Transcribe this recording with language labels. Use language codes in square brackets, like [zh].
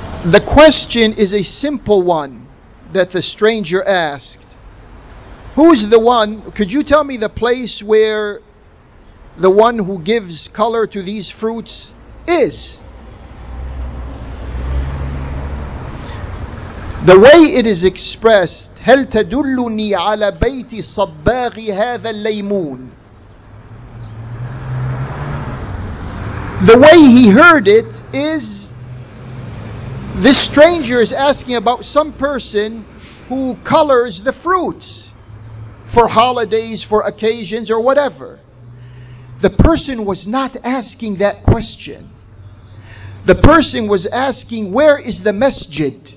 [en] The question is a simple one that the stranger asked. Who's the one? Could you tell me the place where the one who gives color to these fruits is? The way it is expressed, [ar] "هل تدلني على بيت صباغ هذا الليمون?" [en] The way he heard it is, this stranger is asking about some person who colors the fruits for holidays, for occasions, or whatever. The person was not asking that question. The person was asking, "Where is the masjid?"